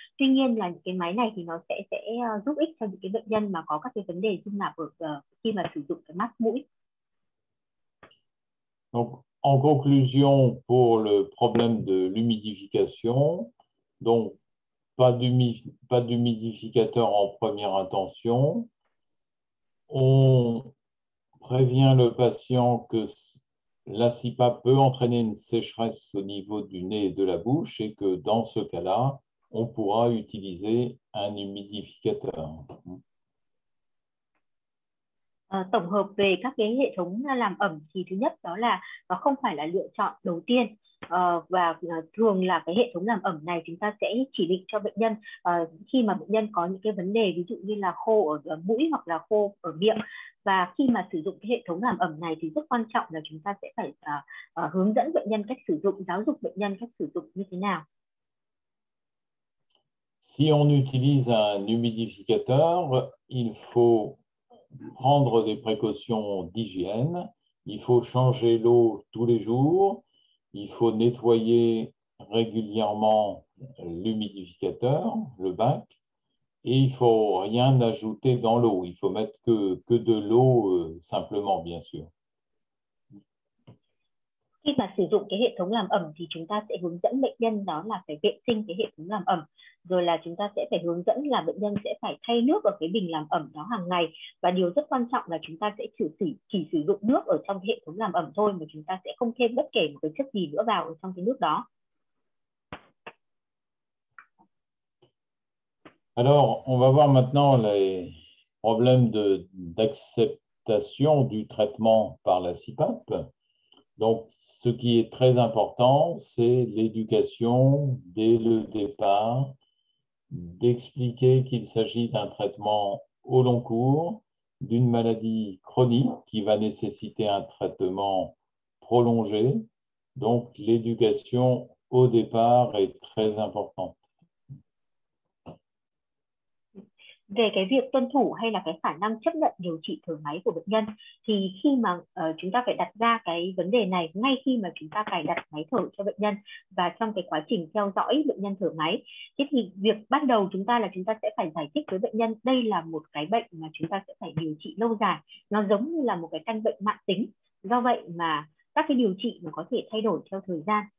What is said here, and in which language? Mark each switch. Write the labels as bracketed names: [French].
[Vietnamese] Tuy nhiên là những cái máy này thì nó sẽ giúp ích cho những cái bệnh nhân mà có các cái vấn đề dung nạp ở khi mà sử dụng cái mắt, mũi. [French] En conclusion, pour le problème de l'humidification, donc pas d'humidificateur en première intention, on prévient le patient que la CIPAP peut entraîner une sécheresse au niveau du nez et de la bouche, et que dans ce cas-là, on pourra utiliser un humidificateur. [Vietnamese] Tổng hợp về các cái hệ thống làm ẩm thì thứ nhất đó là nó không phải là lựa chọn đầu tiên, và thường là cái hệ thống làm ẩm này chúng ta sẽ chỉ định cho bệnh nhân khi mà bệnh nhân có những cái vấn đề ví dụ như là khô ở mũi hoặc là khô ở miệng. Và khi mà sử dụng cái hệ thống làm ẩm này thì rất quan trọng là chúng ta sẽ phải hướng dẫn bệnh nhân cách sử dụng, giáo dục bệnh nhân cách sử dụng như thế nào. [French] Si on utilise un humidificateur, il faut prendre des précautions d'hygiène. Il faut changer l'eau tous les jours. Il faut nettoyer régulièrement l'humidificateur, le bac. Et il faut rien ajouter dans l'eau. Il faut mettre que de l'eau simplement, bien sûr. [Vietnamese] Khi mà sử dụng cái hệ thống làm ẩm thì chúng ta sẽ hướng dẫn bệnh nhân đó là phải vệ sinh cái hệ thống làm ẩm, rồi là chúng ta sẽ phải hướng dẫn là bệnh nhân sẽ phải thay nước ở cái bình làm ẩm đó hàng ngày, và điều rất quan trọng là chúng ta sẽ chỉ sử dụng nước ở trong hệ thống làm ẩm thôi, mà chúng ta sẽ không thêm bất kể một cái chất gì nữa vào ở trong cái nước đó. [French] Alors, on va voir maintenant les problèmes d'acceptation du traitement par la CPAP. Donc, ce qui est très important, c'est l'éducation dès le départ, d'expliquer qu'il s'agit d'un traitement au long cours, d'une maladie chronique qui va nécessiter un traitement prolongé. Donc, l'éducation au départ est très importante. [Vietnamese] Về cái việc tuân thủ hay là cái khả năng chấp nhận điều trị thở máy của bệnh nhân, thì khi mà chúng ta phải đặt ra cái vấn đề này ngay khi mà chúng ta cài đặt máy thở cho bệnh nhân và trong cái quá trình theo dõi bệnh nhân thở máy. Thế thì việc ban đầu chúng ta là chúng ta sẽ phải giải thích với bệnh nhân đây là một cái bệnh mà chúng ta sẽ phải điều trị lâu dài, nó giống như là một cái căn bệnh mãn tính, do vậy mà các cái điều trị nó có thể thay đổi theo thời gian.